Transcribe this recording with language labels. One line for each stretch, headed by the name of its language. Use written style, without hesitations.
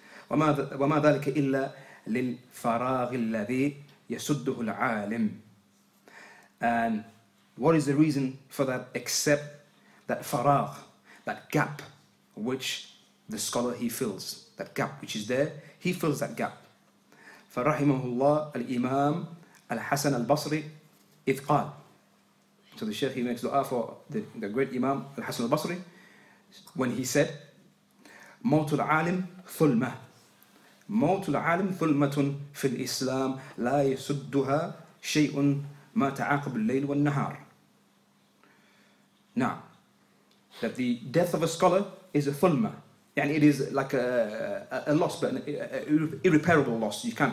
Arabic: وما ذلك إلا للفراغ الذي يسده العالم,
English: and what is the reason for that except that فراغ, that gap which the scholar he fills, that gap which is there, he fills that gap.
Arabic: فَرَحِمَهُ اللَّهُ الْإِمَامُ الْحَسَنَ الْبَصْرِ إِذْ قَالَ.
English: So the Shaykh, he makes dua for the great Imam al-Hasan al-Basri when he said,
Arabic: مَوْتُ الْعَالِمُ ثُلْمَةٌ, مَوْتُ الْعَالِمُ ثُلْمَةٌ فِي الْإِسْلَامِ لَا يَسُدُّهَا شَيْءٌ مَا تَعَاقَبُ اللَّيْلُ وَالنَّهَارِ.
English: Now, that the death of a scholar is a thulma. And it is like a loss, but an irreparable loss.